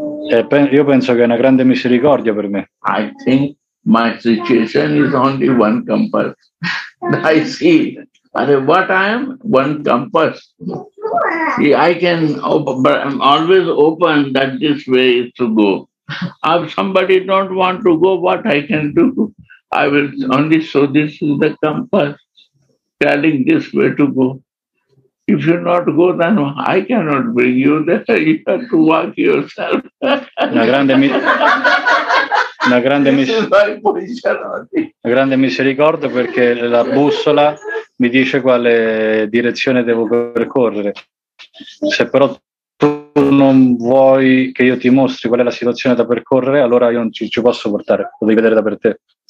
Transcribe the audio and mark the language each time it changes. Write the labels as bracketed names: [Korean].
[Italian] E io penso che è una grande misericordia per me. [English] I think my situation is only one compass. I see. But what I am? One compass. See, I can open, but I'm always open that this way is to go. If somebody don't want to go, what I can do? I will only show this is the compass telling this way to go. If you're not good, then I cannot bring you there. You have to work yourself. [Italian] Una grande misericordia, perché la bussola mi dice quale direzione devo percorrere. Se però tu non vuoi che io ti mostri qual è la situazione da percorrere, allora io non ci posso portare, lo devi vedere da per te.